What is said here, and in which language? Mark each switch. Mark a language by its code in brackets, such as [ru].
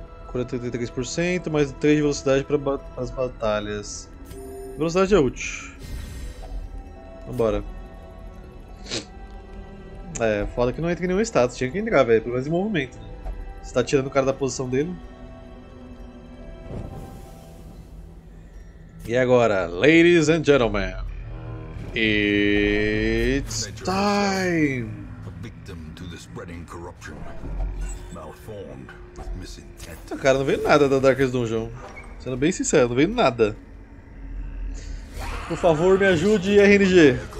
[pt] Cura 33%, mais 3 de velocidade para as batalhas. Velocidade é útil. Vambora. É, foda que não entra em nenhum status, tinha que entrar, velho. Pelo menos em movimento. Você tá tirando o cara da posição dele. E agora, [en] ladies and gentlemen, it's time! A victim to the spreading corruption. Malformed. [pt] O cara não veio nada da Darkest Dungeon. Sendo bem sincero, não veio nada. Por favor, me ajude, RNG.